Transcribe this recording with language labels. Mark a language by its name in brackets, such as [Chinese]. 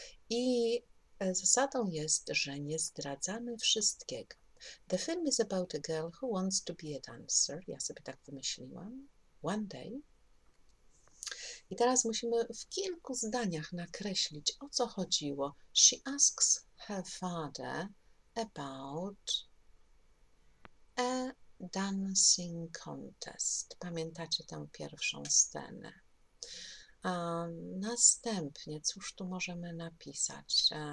[Polish] I zasadą jest, że nie zdradzamy wszystkiego. [English] The film is about a girl who wants to be a dancer. [Polish] Ja sobie tak wymyśliłam. [English] One day. [Polish] I teraz musimy w kilku zdaniach nakreślić, o co chodziło. [English] She asks her father about a dancing contest. [Polish] Pamiętacie tę pierwszą scenę? Następnie, cóż tu możemy napisać?